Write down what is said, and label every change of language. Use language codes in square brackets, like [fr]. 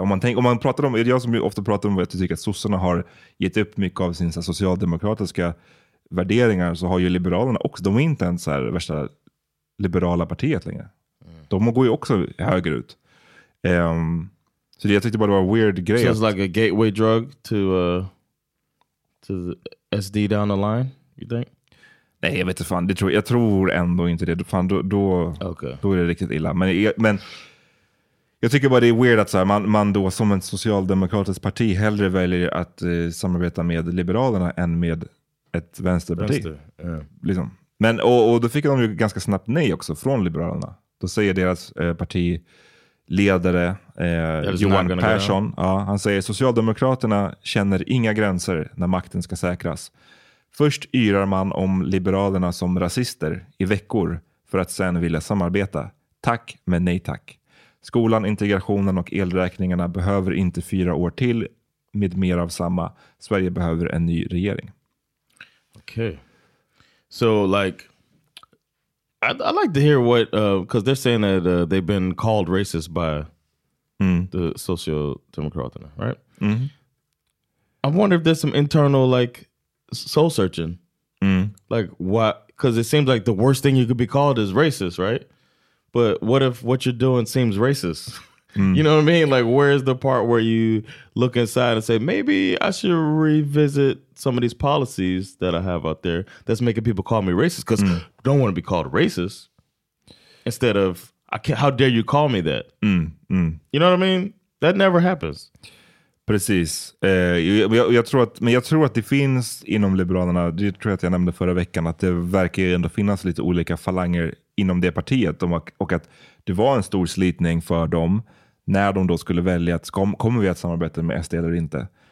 [sv] Om man pratar om, jag som ju ofta pratar om att jag tycker att sossarna har gett upp mycket av sina socialdemokratiska värderingar, så har ju Liberalerna också, de är inte ens så här värsta liberala partiet längre. De går ju också höger ut. Så det, jag tyckte bara det var en weird grej. [en] So it's like a gateway drug to the SD down the line, you think? [sv] Nej, jag vet inte fan. Jag tror ändå inte det. Fan, då är det riktigt illa. Men jag tycker bara det är weird att så här, man då som en socialdemokratisk parti hellre väljer att samarbeta med Liberalerna än med ett vänsterparti. [en] Yeah. [sv] Liksom. Men, och då fick de ju ganska snabbt nej också från Liberalerna. Då säger deras partiledare Johan Persson. Ja, han säger Socialdemokraterna känner inga gränser när makten ska säkras. Först yrar man om Liberalerna som rasister i veckor för att sen vilja samarbeta. Tack, men nej tack. Skolan, integrationen och elräkningarna behöver inte 4 år till med mer av samma. Sverige behöver en ny regering. [en] Okay. So, like, I'd like to hear what, because they're saying that they've been called racist by the Social Democraterna, right? Mm-hmm. I wonder if there's some internal, like, soul searching. Like, why? Because it seems like the worst thing you could be called is racist, right? But what if what you're doing seems racist? You know what I mean? Like, where is the part where you look inside and say, maybe I should revisit some of these policies that I have out there that's making people call me racist? Because I don't want to be called racist. Instead of, I can't, how dare you call me that? You know what I mean? That never happens. [sv] Precis. Jag tror att det finns inom Liberalerna, det tror jag att jag nämnde förra veckan, att det verkar ju ändå finnas lite olika falanger inom det partiet. Och att det var en stor slitning för dem när de då skulle välja att kommer vi att samarbeta med SD eller inte?